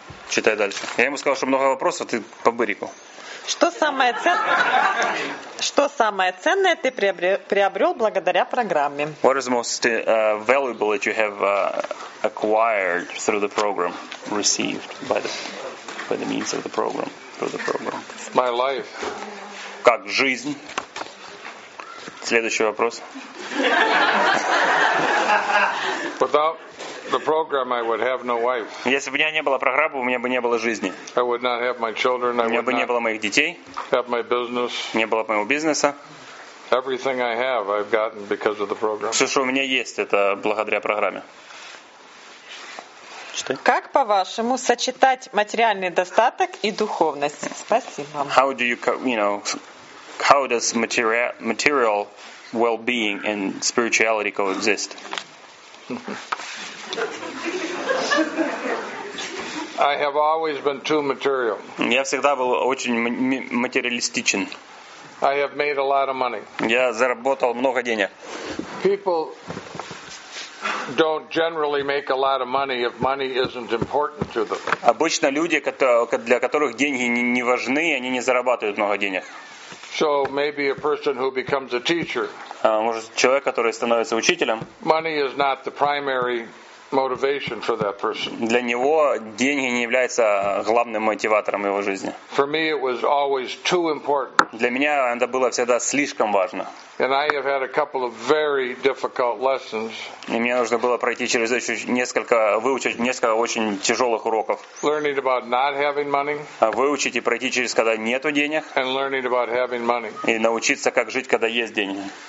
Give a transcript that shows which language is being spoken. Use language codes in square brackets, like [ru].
[ru] Читай дальше. Я ему сказал, что много вопросов, ты побырикал. Что самое ценное ты приобрел благодаря программе? [en] What is most valuable that you have acquired through the program, received by the means of the program, through the program? My life. [ru] Как жизнь? Следующий вопрос. [en] Without the program, I would have no wife. [ru] Если бы у меня не было программы, у меня бы не было жизни. [en] I would not have my children. [ru] У меня бы не было моих детей. [en] Have my business. [ru] Не было бы моего бизнеса. [en] Everything I have, I've gotten because of the program. [ru] Все, что у меня есть, это благодаря программе. Что? Как по-вашему сочетать материальный достаток и духовность? Спасибо. [en] How do you, how does material well-being and spirituality coexist? I have always been too material. [ru] Я всегда был очень материалистичен. [en] I have made a lot of money. [ru] Я заработал много денег. [en] People don't generally make a lot of money if money isn't important to them. [ru] Обычно люди, для которых деньги не важны, они не зарабатывают много денег. [en] So maybe a person who becomes a teacher. [ru] Может, человек, который становится учителем. [en] Money is not the primary motivation for that person. [ru] Для него деньги не являются главным мотиватором его жизни. [en] For me it was always too important. [ru] Для меня это было всегда слишком важно. [en] And I have had a couple of very difficult lessons. [ru] И мне нужно было пройти через выучить несколько очень тяжелых уроков. [en] Learning about not having money. [ru] Выучить и пройти через, когда нету денег. [en] And learning about having money. [ru] И научиться, как жить, когда есть деньги.